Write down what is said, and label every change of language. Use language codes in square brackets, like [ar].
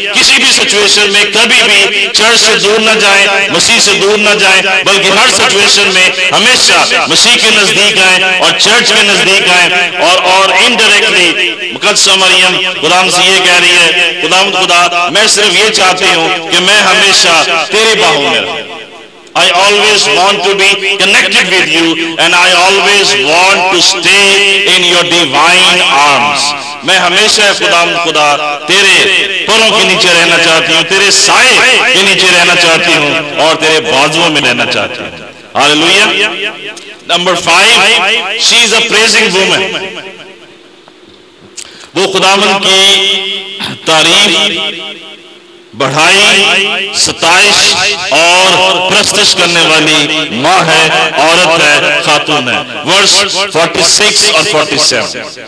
[ur] کسی بھی سچویشن میں کبھی بھی چرچ سے دور نہ جائیں, مسیح سے دور نہ جائیں, بلکہ ہر سچویشن میں ہمیشہ مسیح کے نزدیک آئیں اور چرچ کے نزدیک آئیں. اور انڈائریکٹلی مقدسہ مریم خداوند سے یہ کہہ رہی ہے, خداوند خدا میں صرف یہ چاہتی ہوں کہ میں ہمیشہ تیرے باہوں میں رہوں. [en] I always want to be connected with you and I always want to stay in your divine arms. [ur] میں ہمیشہ خداوند خدا تیرے پروں کے نیچے رہنا چاہتی ہوں, تیرے سائے کے نیچے رہنا چاہتی ہوں اور تیرے بازوؤں میں رہنا چاہتی ہوں. [en] Hallelujah. Number 5, she is a praising woman. [ur] وہ خداوند کی تعریف بڑھائی ستائش اور پرستش کرنے والی ماں ہے, عورت ہے, خاتون ہے. ورس 46 اور 47.